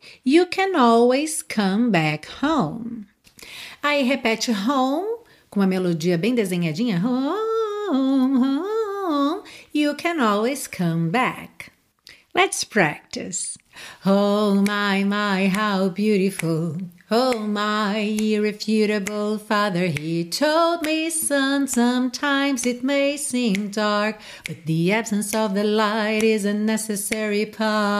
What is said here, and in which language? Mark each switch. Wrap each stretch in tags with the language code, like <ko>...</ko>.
<en>You can always come back home.</en> <pt>Aí repete home com uma melodia bem desenhadinha.</pt> <en>Home, home. You can always come back. Let's practice. Oh my, my, how beautiful. Oh my, irrefutable father, he told me, son, sometimes it may seem dark, but the absence of the light is a necessary part.</en>